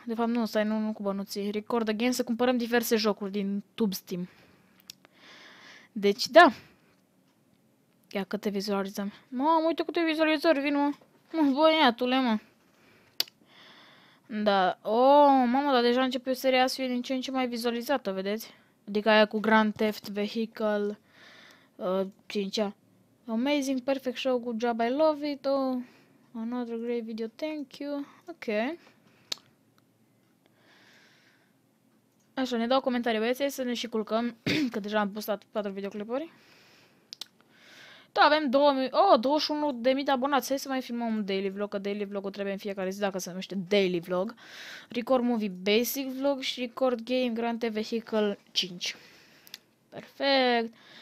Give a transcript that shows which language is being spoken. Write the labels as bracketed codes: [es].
[ro] De fapt nu, stai, nu cu bănuții. Record again să cumpărăm diverse jocuri din Tube Steam. Deci, da. Ia că te vizualizăm. Mă, uite câte vizualizări vin, mă. Mă, băiatule, mă. Da, oh, mamă, dar deja a început seria să fie din ce în ce mai vizualizată, vedeți? Adică aia cu Grand Theft Vehicle. Cincea. [en] Amazing, perfect show, good job, I love it. Oh, another great video, thank you. [ro] Ok. Așa, ne dau comentarii, băieți, să ne și culcăm, că deja am postat 4 videoclipuri. Da, avem 2000, oh, 21.000 de abonați, hai să mai filmăm un daily vlog, că daily vlog-ul trebuie în fiecare zi, dacă se numește daily vlog. Record movie, basic vlog și record game, Grand Theft Vehicle 5. Perfect.